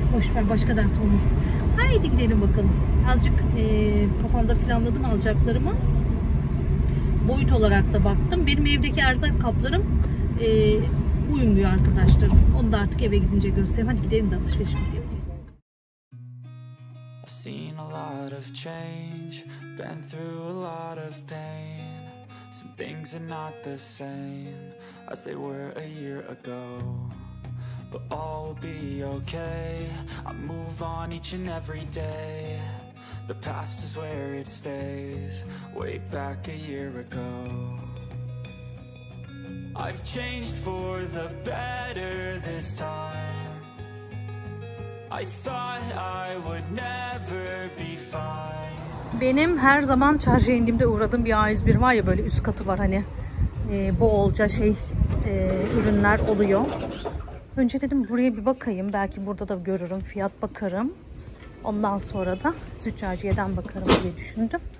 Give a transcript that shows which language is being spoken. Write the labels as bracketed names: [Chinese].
[Turkish] Boşver, başka dert olmasın. Haydi gidelim bakalım. Azıcık kafamda planladım alacaklarımı. Boyut olarak da baktım. Benim evdeki erzak kaplarım uyumluyor arkadaşlar. Onu da artık eve gidince göstereyim. Hadi gidelim de alışverişimizi yapalım. [English] I've seen a lot of change, been through a lot of pain. Some things are not the same as they were a year ago. But all will be okay. I move on each and every day. The past is where it stays, way back a year ago. I've changed for the better this time. I thought I would never be fine. [Turkish] Benim her zaman çarşıya indiğimde uğradığım bir A101 var ya, böyle üst katı var hani. Bolca şey ürünler oluyor. Önce dedim buraya bir bakayım, belki burada da görürüm, fiyat bakarım. Ondan sonra da Züccaciye'den bakarım diye düşündüm.